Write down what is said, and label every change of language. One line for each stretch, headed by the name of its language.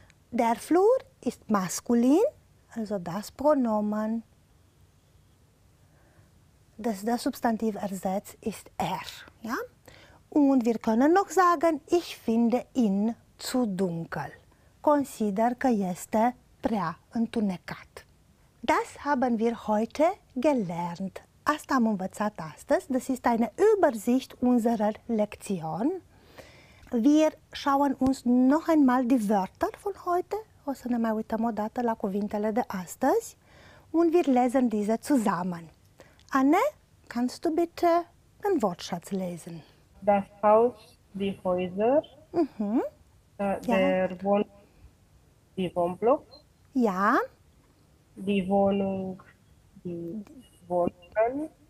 German: Der Flur ist maskulin, also das Pronomen. Das Substantiv ersetzt ist er. Ja? Und wir können noch sagen, ich finde ihn zu dunkel.
Romanian: Consider că este prea întunecat.
German: Das haben wir heute gelernt.
Romanian: Asta am învățat astăzi.
German: Das ist eine Übersicht unserer Lektion. Wir schauen uns noch einmal die Wörter von heute.
Romanian: O să ne mai uităm o dată la cuvintele de astăzi.
German: Und wir lesen diese zusammen. Anne, kannst du bitte den Wortschatz lesen? Das Haus, die Häuser. Der Wohnblock, die Wohnblock. Ja. Die Wohnung, die Wohnungen.